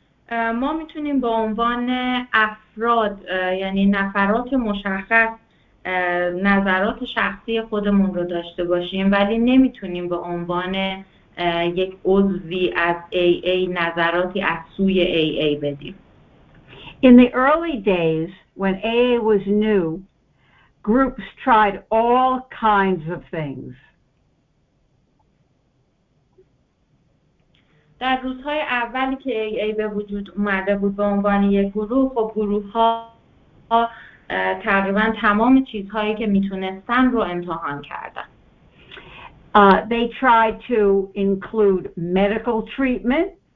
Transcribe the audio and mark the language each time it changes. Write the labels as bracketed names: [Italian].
[Persian] ما میتونیم به عنوان افراد یعنی نفرات مشخص نظرات شخصی خودمون رو داشته باشیم ولی نمیتونیم به عنوان یک عضوی از AA نظراتی از سوی AA بدیم. [English] In the early days when AA was new, groups tried all kinds of things. [Persian] در روزهای اولی که AA به وجود اومده بود به عنوان یک گروه و گروه‌ها تقریبا تمام چیزهایی که میتونستن رو امتحان کردن. [English] They tried to include medical treatment.